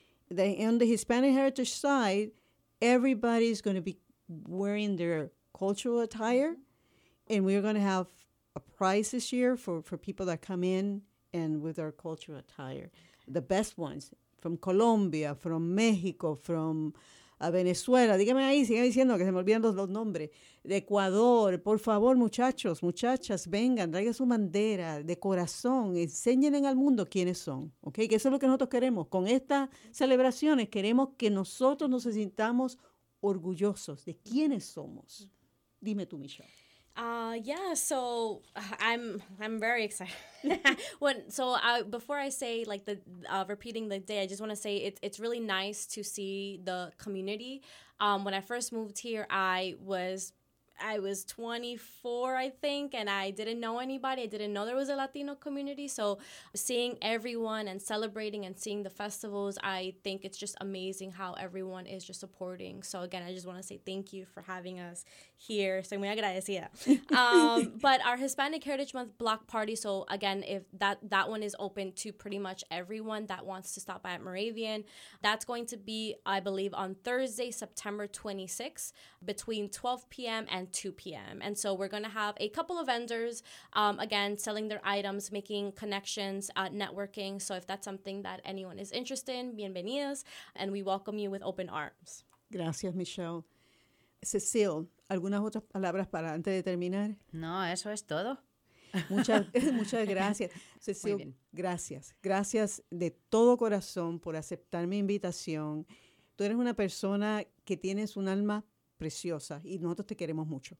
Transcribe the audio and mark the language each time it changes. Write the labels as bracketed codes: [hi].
[en] On the Hispanic Heritage side, everybody's going to be wearing their cultural attire, and we're going to have a prize this year for people that come in and with our cultural attire, the best ones. From Colombia, from Mexico, from Venezuela. [es] Dígame ahí, sigan diciendo que se me olvidan los nombres. De Ecuador, por favor, muchachos, muchachas, vengan, traigan su bandera de corazón, enséñenle al mundo quiénes son, ¿ok? Que eso es lo que nosotros queremos. Con estas celebraciones queremos que nosotros nos sintamos orgullosos de quiénes somos. Dime tú, Michelle. [en] So I'm very excited. Repeating the day, I just want to say it's really nice to see the community. When I first moved here, I was I was 24, I think, and I didn't know anybody. I didn't know there was a Latino community. So seeing everyone and celebrating and seeing the festivals, I think it's just amazing how everyone is just supporting. So again, I just want to say thank you for having us here. [es] Soy muy agradecida. [en] But our Hispanic Heritage Month block party, so again, if that one is open to pretty much everyone that wants to stop by at Moravian. That's going to be, I believe, on Thursday, September 26th, between 12 p.m. and 2 p.m. And so we're going to have a couple of vendors, again, selling their items, making connections, networking. So if that's something that anyone is interested in, bienvenidos, and we welcome you with open arms. [es] Gracias, Michelle. Cecile, ¿algunas otras palabras para antes de terminar? No, eso es todo. Muchas gracias. Cecile, gracias. Gracias de todo corazón por aceptar mi invitación. Tú eres una persona que tienes un alma preciosa y nosotros te queremos mucho.